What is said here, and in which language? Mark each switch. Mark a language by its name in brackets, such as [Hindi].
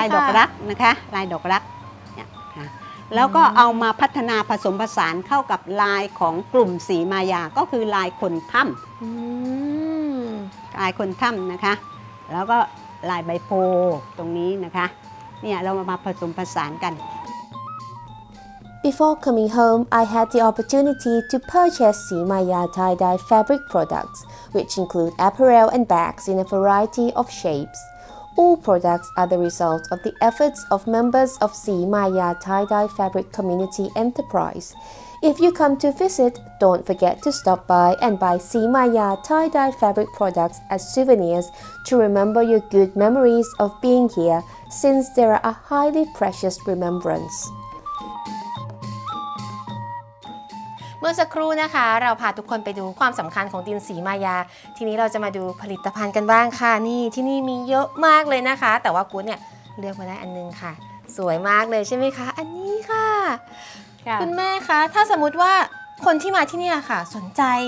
[Thai] ลายดอกรักนะคะลายดอกรักแล้วก็เอามาพัฒนาผสมผสานเข้ากับลายของกลุ่มสีมายาก็คือลายคนถ้ำลายคนถ้ำนะคะแล้วก็ลายใบโพตรงนี้นะคะเนี่ยเรามาผสมผสานกัน [English] Before coming home I had the opportunity to purchase Simaya tie-dye fabric products which include apparel and bags in a variety of shapes All products are the result of the efforts of members of Simaya tie-dye fabric community enterpriseIf you come to visit, don't forget to stop by and buy Simaya tie-dye fabric products as souvenirs to remember your good memories of being here, since they are a highly precious remembrance. [Thai] เมื่อสักครู่นะคะเราพาทุกคนไปดูความสำคัญของดินสีมายาทีนี้เราจะมาดูผลิตภัณฑ์กันบ้างค่ะนี่ที่นี่มีเยอะมากเลยนะคะแต่ว่ากูเนี่ยเลือกมาได้อันนึงค่ะสวยมากเลยใช่ไหมคะอันนี้ค่ะคุณแม่คะถ้าสมมุติว่าคนที่มาที่นี่ค่ะสนใจ